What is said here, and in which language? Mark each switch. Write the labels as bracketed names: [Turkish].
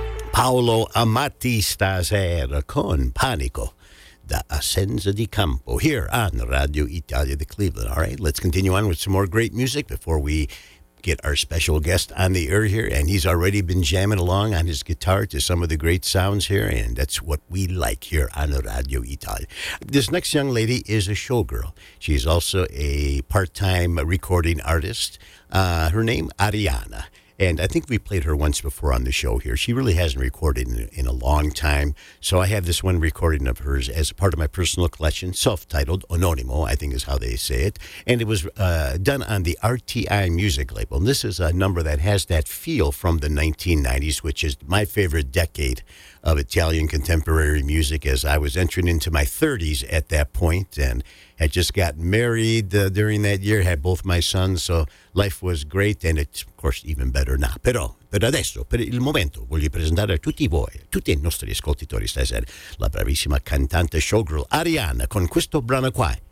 [Italian] Paolo Amati stasera con Panico da Assenza di Campo [English] here on [Italian] Radio Italia di Cleveland. [English] All right, let's continue on with some more great music before we get our special guest on the air here. And he's already been jamming along on his guitar to some of the great sounds here, and that's what we like here on Radio Italia. This next young lady is a showgirl. She's also a part-time recording artist. Her name, Ariana. And I think we played her once before on the show here. She really hasn't recorded in a long time. So I have this one recording of hers as part of my personal collection, self-titled, Anonimo, I think is how they say it. And it was done on the RTI music label. And this is a number that has that feel from the 1990s, which is my favorite decade of Italian contemporary music, as I was entering into my 30s at that point and had just gotten married during that year, had both my sons, so life was great, and it's, of course, even better now. [Italian] Però adesso, per il momento, voglio presentare a tutti voi, tutti i nostri ascoltatori, stasera, la bravissima cantante showgirl Ariana con questo brano qua.